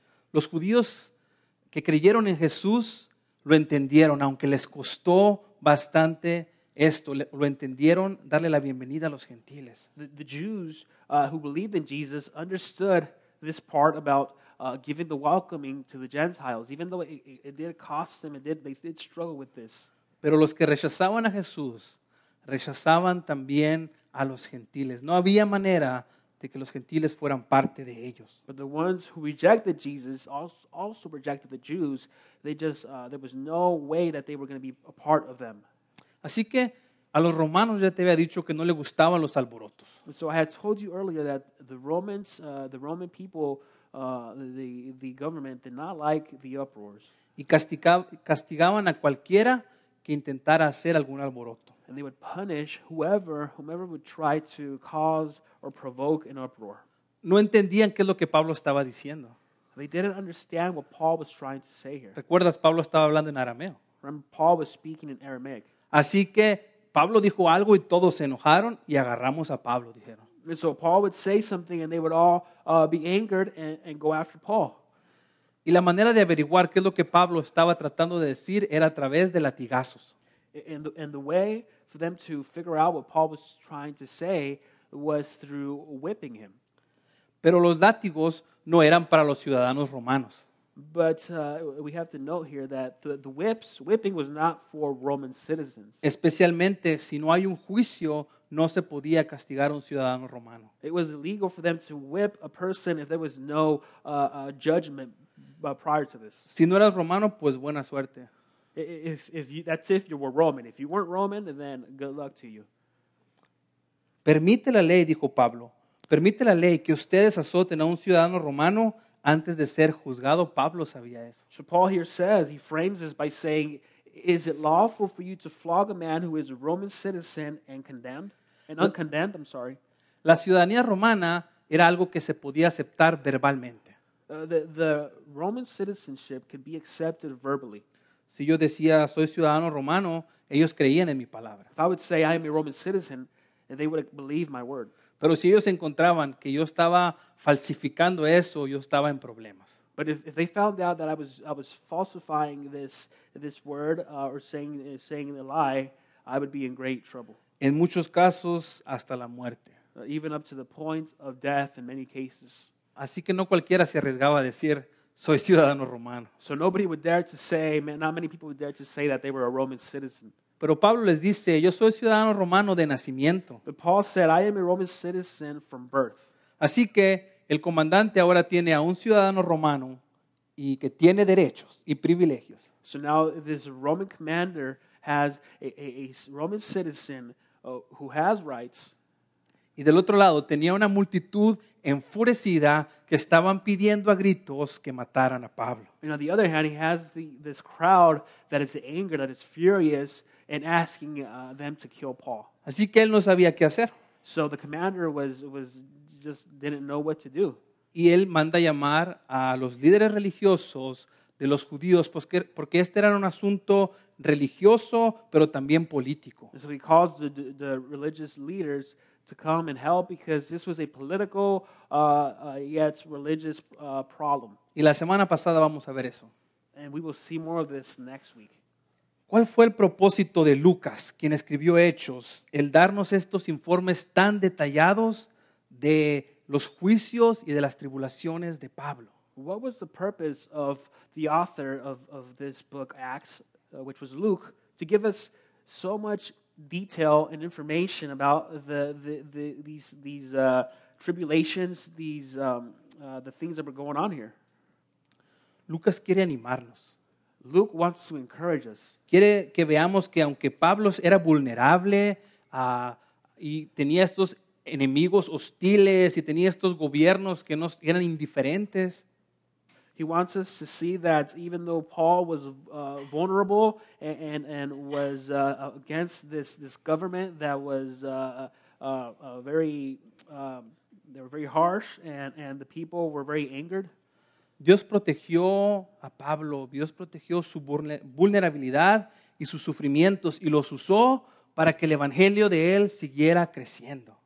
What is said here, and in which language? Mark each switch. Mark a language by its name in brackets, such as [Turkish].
[Spanish] Los judíos que creyeron en Jesús lo entendieron, aunque les costó bastante esto. Lo entendieron darle la bienvenida a los gentiles. [English] The Jews who believed in Jesus understood this part about giving the welcoming to the Gentiles, even though it did cost them, they did struggle with this. [Spanish] Pero los que rechazaban a Jesús, rechazaban también a los gentiles. No había manera de que los gentiles fueran parte de ellos. [English] But the ones who rejected Jesus also rejected the Jews. There was no way that they were going to be a part of them. [Spanish] Así que a los romanos ya te había dicho que no le gustaban los alborotos. [English] So I had told you earlier that the Roman people, the government did not like the uproars. [Spanish] Y castigaban a cualquiera que intentara hacer algún alboroto. [English] And they would punish whomever would try to cause or provoke an uproar. [Spanish] No entendían qué es lo que Pablo estaba diciendo. [English] They didn't understand what Paul was trying to say here. [Spanish] ¿Recuerdas? Pablo estaba hablando en arameo. [English] Remember, Paul was speaking in Aramaic. [Spanish] Así que Pablo dijo algo y todos se enojaron y agarramos a Pablo, dijeron. [English] And so Paul would say something and they would all be angered and go after Paul. [Spanish] Y la manera de averiguar qué es lo que Pablo estaba tratando de decir era a través de latigazos. [English] And the way for them to figure out what Paul was trying to say was through whipping him. [Spanish] Pero los látigos no eran para los ciudadanos romanos. [English] But we have to note here that the whipping was not for Roman citizens. [Spanish] Especialmente si no hay un juicio, no se podía castigar a un ciudadano romano. [English] It was illegal for them to whip a person if there was no judgment prior to this. [Spanish] Si no eras romano, pues buena suerte. [English] If you were Roman. If you weren't Roman, then good luck to you. [Spanish] Permite la ley, dijo Pablo. Permite la ley que ustedes azoten a un ciudadano romano antes de ser juzgado. Pablo sabía eso. [English] So Paul here says, he frames this by saying, is it lawful for you to flog a man who is a Roman citizen and condemned? And uncondemned, I'm sorry. [Spanish] La ciudadanía romana era algo que se podía aceptar verbalmente. [English] The Roman citizenship could be accepted verbally. [Spanish] Si yo decía, soy ciudadano romano, ellos creían en mi palabra. [English] If I would say, I am a Roman citizen, they would believe my word. [Spanish] Pero si ellos encontraban que yo estaba falsificando eso, yo estaba en problemas. [English] But if they found out that I was falsifying this word or saying a lie, I would be in great trouble. [Spanish] En muchos casos, hasta la muerte. [English] Even up to the point of death in many cases. [Spanish] Así que no cualquiera se arriesgaba a decir, soy ciudadano romano. [English] So nobody would dare to say, not many people would dare to say that they were a Roman citizen. [Spanish] Pero Pablo les dice, yo soy ciudadano romano de nacimiento. [English] But Paul said, I am a Roman citizen from birth. [Spanish] Así que el comandante ahora tiene a un ciudadano romano y que tiene derechos y privilegios. [English] So now this Roman commander has a Roman citizen who has rights. [Spanish] Y del otro lado tenía una multitud enfurecida que estaban pidiendo a gritos que mataran a Pablo. [English] And on the other hand, he has this crowd that is angry, that is furious, and asking them to kill Paul. [Spanish] Así que él no sabía qué hacer. [English] So the commander was just didn't know what to do. [Spanish] Y él manda llamar a los líderes religiosos de los judíos, porque este era un asunto religioso, pero también político. [English] And so he calls the religious leaders to come and help because this was a political yet religious problem. [Spanish] Y la semana pasada vamos a ver eso. [English] And we will see more of this next week. [Spanish] ¿Cuál fue el propósito de Lucas, quien escribió Hechos, el darnos estos informes tan detallados de los juicios y de las tribulaciones de Pablo? [English] What was the purpose of the author of this book Acts, which was Luke, to give us so much detail and information about the things that were going on here. [Spanish] Lucas quiere animarnos. [English] Luke wants to encourage us. [Spanish] Quiere que veamos que aunque Pablo era vulnerable y tenía estos enemigos hostiles y tenía estos gobiernos que no eran indiferentes. [English] He wants us to see that even though Paul was vulnerable and was against this government that was very harsh and the people were very angered. [Spanish] Dios protegió a Pablo, Dios protegió su vulnerabilidad y sus sufrimientos y los usó para que el evangelio de él siguiera creciendo.